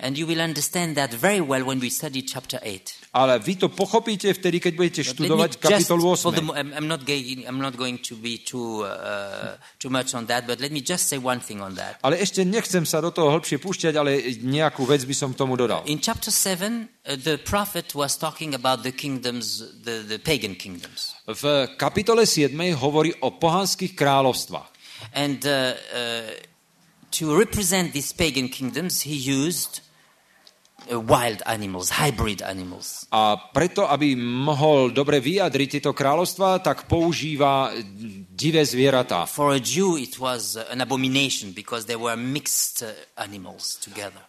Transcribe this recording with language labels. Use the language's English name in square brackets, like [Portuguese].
[English] And you will understand that very well when we study chapter 8. [Slovak] Ale vy to pochopíte vtedy, keď budete študovať kapitolu 8. [English] I'm not going to be too much on that, but let me just say one thing on that. [Slovak] Ale ešte nechcem sa do toho hlbšie púšťať, ale nejakú vec by som tomu dodal. [English] In chapter 7, the prophet was talking about the kingdoms, the pagan kingdoms. [Slovak] V kapitole 7 hovorí o pohanských kráľovstvách. [English] And to represent these pagan kingdoms, he used wild animals, hybrid animals. [Slovak] A preto, aby mohol dobre vyjadriť tieto kráľovstva, tak používa divé zvieratá. [English] For a Jew, it was an abomination because they were mixed animals together.